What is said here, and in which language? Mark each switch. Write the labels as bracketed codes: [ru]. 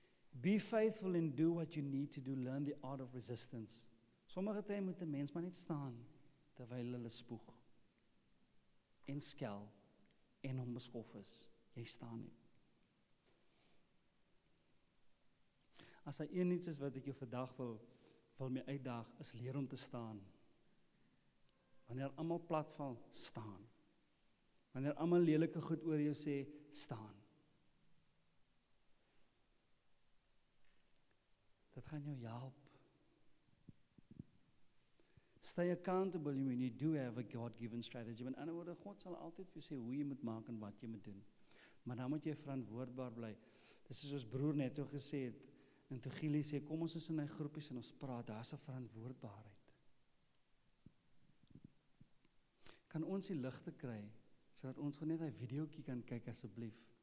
[en] Be faithful and do what you need to do. Learn the art of resistance. [af] Sommige tye moet 'n mens maar net staan terwyl hulle spoeg en skel en onbeskof is. Jy staan nie. As hy een iets is wat ek jou vandag wil my uitdaag, is leer om te staan. Wanneer almal platval, staan. Wanneer almal lelike goed oor jou sê, staan. Dit gaan jou help. [en] Stay accountable when you do have a God-given strategy. [af] In ander woorde, God sal altyd vir jou sê hoe jy moet maak en wat jy moet doen. Maar dan moet jy verantwoordbaar bly. Dis is ons broer net toe gesê het, en toe Gilie sê, kom ons is in hy groepies en ons praat, daar is 'n verantwoordbaarheid. Kan ons die ligte kry, so dat ons net hy videokie kan kyk asseblief.